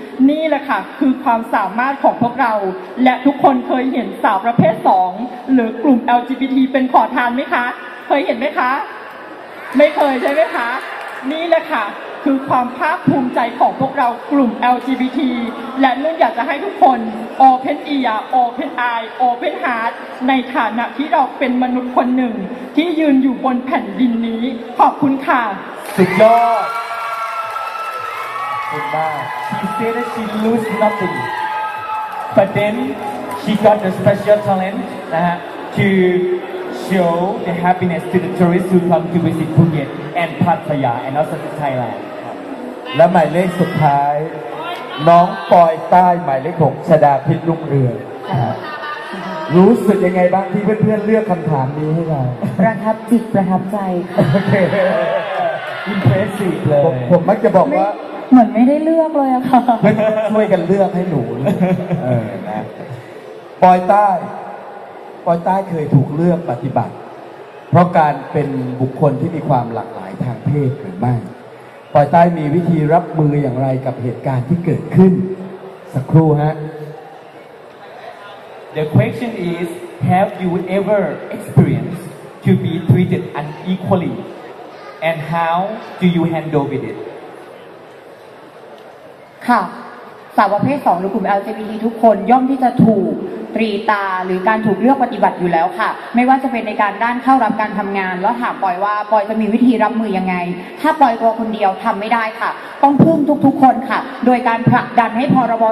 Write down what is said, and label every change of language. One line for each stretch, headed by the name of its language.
Thai: นี่แหละค่ะคือความสามารถของพวกเราและทุกคนเคยเห็นสาวประเภท2หรือกลุ่ม LGBT เป็นขอทานไหมคะเคยเห็นไหมคะไม่เคยใช่ไหมคะนี่แหละค่ะคือความภาคภูมิใจของพวกเรากลุ่ม LGBT และนุ่นอยากจะให้ทุกคน
English: open ear open eye open heart
Thai: ในฐานะที่เราเป็นมนุษย์คนหนึ่งที่ยืนอยู่บนแผ่นดินนี้ขอบคุณค่ะ สุดยอดขอบคุณมาก
English: She said that she lose nothing but then she got a special talent to show the happiness to the tourists who come to visit Phuket and Pattaya and also to Thailand
Thai: และหมายเลขสุดท้ายน้องปอยใต้หมายเลขของชดาพิษลุงเรือง รู้สึกยังไงบ้างที่เพื่อนๆเลือกคำถามนี้ให้เรา ประทับจิตประทับใจ โอเค อินเพรสซีฟเลย ผมมักจะบอกว่า เหมือนไม่ได้เลือกเลยอะค่ ะ ช่วยกันเลือกให้หนูเลยนะปอยใต้ปอยใต้เคยถูกเลือกปฏิบัติเพราะการเป็นบุคคลที่มีความหลากหลายทางเพศหรือไม่ปอยใต้มีวิธีรับมืออย่างไรกับเหตุการณ์ที่เกิดขึ้นสักครู่ฮะ
English: The question is have you ever experienced to be treated unequally and how do you handle with it
Thai: ค่ะสาวประเภท2หรือกลุ่ม LGBT ทุกคนย่อมที่จะถูกตรีตาหรือการถูกเลือกปฏิบัติอยู่แล้วค่ะไม่ว่าจะเป็นในการด้านเข้ารับการทำงานแล้วถามปอยว่าปอยจะมีวิธีรับมือยังไงถ้าปอยตัวคนเดียวทำไม่ได้ค่ะต้องพึ่งทุกๆคนค่ะโดยการผลักดันให้พ.ร.บ.